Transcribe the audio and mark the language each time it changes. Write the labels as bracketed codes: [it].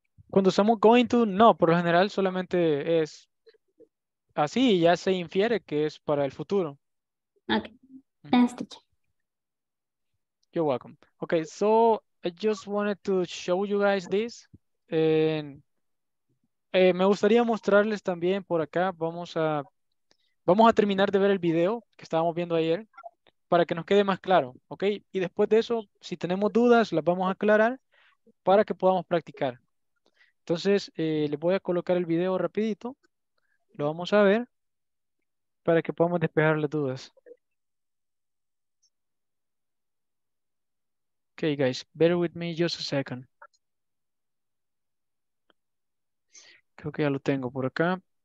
[es] Cuando usamos going to, no, por lo general solamente es así y ya se infiere que es para el futuro. [en] Ok, thanks teacher. You're welcome. Ok, so I just wanted to show you guys this. [es] Me gustaría mostrarles también por acá, vamos a terminar de ver el video que estábamos viendo ayer para que nos quede más claro, ok? Y después de eso, si tenemos dudas, las vamos a aclarar para que podamos practicar. Entonces, les voy a colocar el video rapidito. Lo vamos a ver para que podamos despejar las dudas. [en] Okay, guys, bear with me just a second. [es] Creo que ya lo tengo por acá.